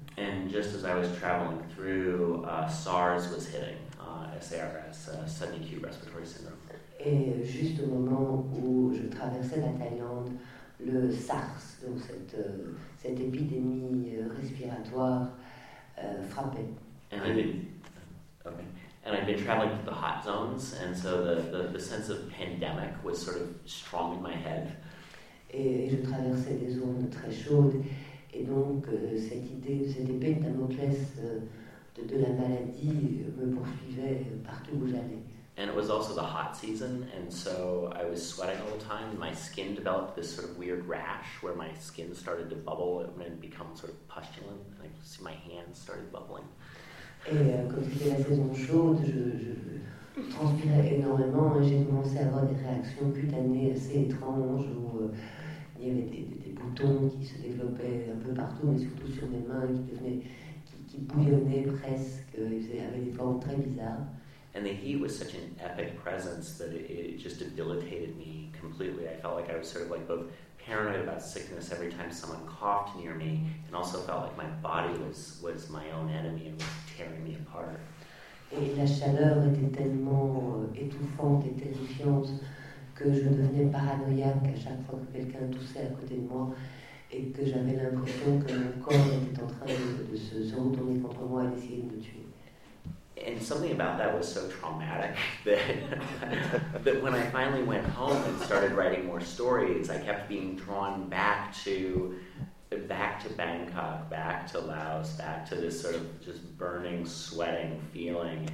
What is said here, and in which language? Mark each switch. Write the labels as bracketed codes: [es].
[en] And just as I was traveling through, SARS was hitting, SARS, sudden acute respiratory syndrome. [fr] Et juste au moment où je traversais la Thaïlande, le SARS, donc cette épidémie respiratoire, frappait. [en] And I've been traveling through the hot zones, and so the sense of pandemic was sort of strong in my head. [fr] Et je traversais des zones très chaudes, et donc cette idée, cette épée de Damoclès de la maladie me poursuivait partout où j'allais. [en] And it was also the hot season, and so I was sweating all the time. My skin developed this sort of weird rash where my skin started to bubble and become sort of pustulent. And I could see my hands started bubbling. [fr] Et quand c'était la saison chaude, je transpirais énormément, et j'ai commencé à avoir des réactions cutanées assez étranges où il y avait des boutons qui se développaient un peu partout, mais surtout sur mes mains, qui bouillonnaient presque, ils avaient des formes très bizarres. [en] And the heat was such an epic presence that it just debilitated me completely. I felt like I was sort of like both paranoid about sickness every time someone coughed near me, and also felt like my body was my own enemy and was tearing me apart. [fr] Et la chaleur était tellement étouffante et terrifiante que je devenais paranoïaque à chaque fois que quelqu'un toussait à côté de moi, et que j'avais l'impression que mon corps était en train de se retourner contre moi et d'essayer de me tuer. [en] And something about that was so traumatic that that when I finally went home and started writing more stories, I kept being drawn back to Bangkok, back to Laos, back to this sort of just burning, sweating feeling.